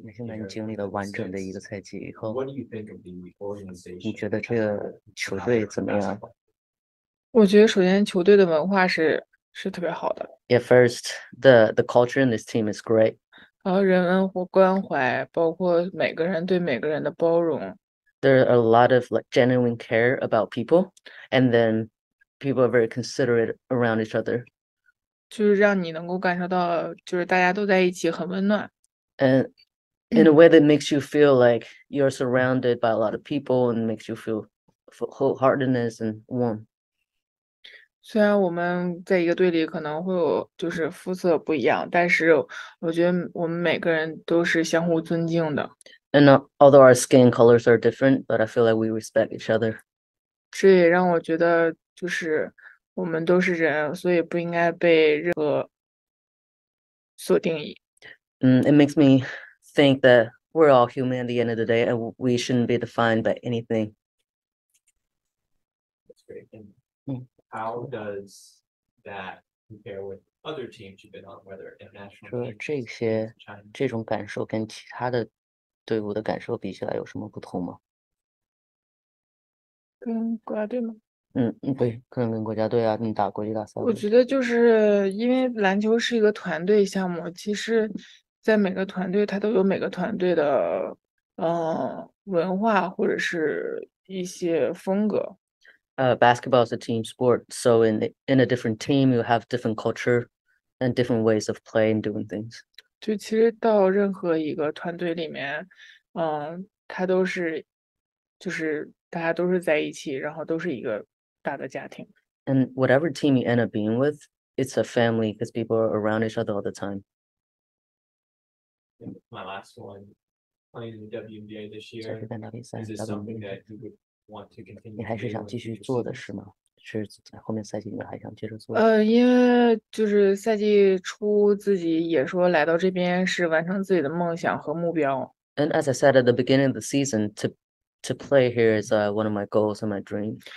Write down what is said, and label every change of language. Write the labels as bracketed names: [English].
[Chinese] 你现在经历了完整的一个赛季以后 [English] ，What do you think of the organization? [Chinese] 你觉得这个球队怎么样？我觉得首先球队的文化是特别好的。 [English] Yeah, first, the culture in this team is great. [Chinese] 然后人文和关怀，包括每个人对每个人的包容。 [English] There are a lot of like genuine care about people, and then people are very considerate around each other. [Chinese] 就是让你能够感受到，就是大家都在一起很温暖。 [English] And in a way that makes you feel like you're surrounded by a lot of people, and makes you feel wholeheartedness and warm. [Chinese] 虽然我们在一个队里可能会有就是肤色不一样，但是我觉得我们每个人都是相互尊敬的。 [English] And although our skin colors are different, but I feel like we respect each other. [Chinese] 这也让我觉得就是我们都是人，所以不应该被任何所定义。 [English] It makes me think that we're all human at the end of the day, and we shouldn't be defined by anything. That's great. How does that compare with other teams you've been on, whether international teams? [Chinese] 这种感受跟其他的队伍的感受比起来有什么不同吗？跟国家队吗？对，可能跟国家队啊，你打国际大赛。我觉得就是因为篮球是一个团队项目，其实，在每个团队它都有每个团队的文化或者是一些风格。 [English] Basketball is a team sport, so in a different team, you have different culture and different ways of playing, doing things. [Chinese] 就其实到任何一个团队里面，它都是，就是大家都是在一起，然后都是一个大的家庭。 [English] And whatever team you end up being with, it's a family because people are around each other all the time. My last one, playing in the WNBA this year, is this something that you would [Chinese] 你还是想继续做的是吗？是后面赛季你还想接着做？因为就是赛季初自己也说来到这边是完成自己的梦想和目标。 [English] And as I said at the beginning of the season, to play here is one of my goals and my dream.